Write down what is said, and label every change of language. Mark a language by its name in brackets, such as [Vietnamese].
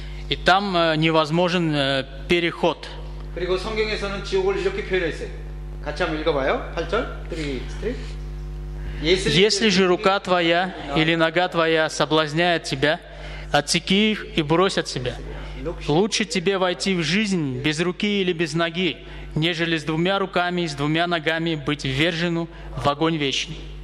[Russian] И там невозможен переход. [Korean] 그리고 성경에서는 지옥을 이렇게 표현했어요. 같이 한번 읽어봐요. 8절. 3. [Russian] Если же рука твоя или нога твоя соблазняет тебя, отсеки их и брось от себя. Лучше тебе войти в жизнь без руки или без ноги, нежели с двумя руками и с двумя ногами быть ввержену в огонь вечный.